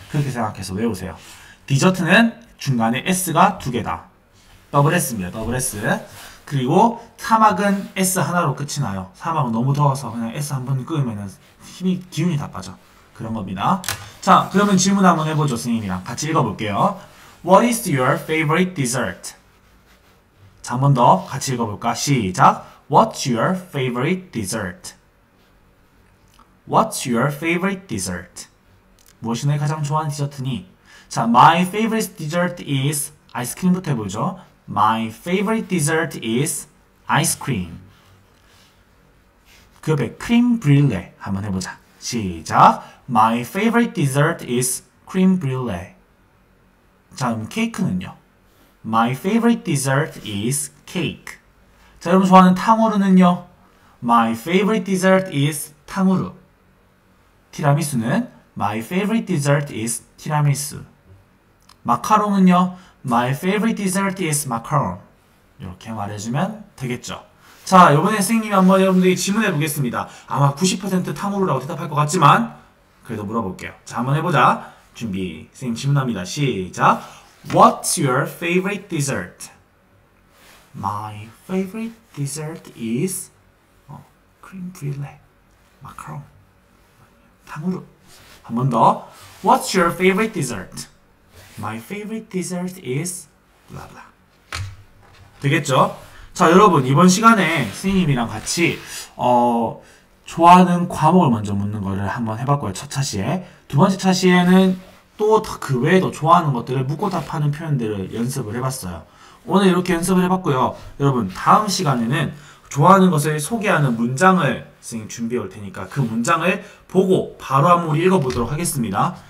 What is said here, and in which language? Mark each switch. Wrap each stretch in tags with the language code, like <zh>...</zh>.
<ko>그렇게 생각해서 외우세요. 디저트는 중간에 S가 두 개다. 더블 S입니다, 더블 S. 그리고 사막은 S 하나로 끝이 나요. 사막은 너무 더워서 그냥 S 한번 끄면은 힘이, 기운이 다 빠져. 그런 겁니다. 자, 그러면 질문 한번 해보죠, 선생님이랑. 같이 읽어볼게요.</ko> <en>What is your favorite dessert?</en> <ko>자, 한번 더 같이 읽어볼까? 시작.</ko> <en>What's your favorite dessert? What's your favorite dessert?</en> <ko>무엇이 내 가장 좋아하는 디저트니?</ko> <en>자, my favorite dessert is</en> <ko>아이스크림부터 해보죠.</ko> <en>My favorite dessert is ice cream.</en> <ko>그 옆에 크림 브릴레 한번 해보자. 시작.</ko> <en>My favorite dessert is 크림 브릴레.</en> <ko>자, 그럼 케이크는요?</ko> <en>My favorite dessert is cake.</en> <ko>자, 여러분 좋아하는 탕후루는요?</ko> <en>My favorite dessert is 탕후루. 티라미수는 My favorite dessert is 티라미수.</en> <ko>마카롱은요?</ko> <en>My favorite dessert is macaron.</en> <ko>이렇게 말해주면 되겠죠. 자, 이번에 선생님이 한번 여러분들이 질문해 보겠습니다. 아마 90% 탕후루라고 대답할 것 같지만, 그래도 물어볼게요. 자, 한번 해보자. 준비. 선생님 질문합니다. 시작.</ko> <en>What's your favorite dessert? My favorite dessert is, cream brulee. Macaron. 탕후루.</en> <ko>한번 더.</ko> <en>What's your favorite dessert? My favorite dessert is 블라블라.</en> <ko>되겠죠? 자, 여러분, 이번 시간에 선생님이랑 같이, 좋아하는 과목을 먼저 묻는 거를 한번 해봤고요. 첫 차시에. 두 번째 차시에는 또그 외에도 좋아하는 것들을 묻고 답하는 표현들을 연습을 해봤어요. 오늘 이렇게 연습을 해봤고요. 여러분, 다음 시간에는 좋아하는 것을 소개하는 문장을 선생님 준비해 올 테니까 그 문장을 보고 바로 한번 읽어보도록 하겠습니다.</ko>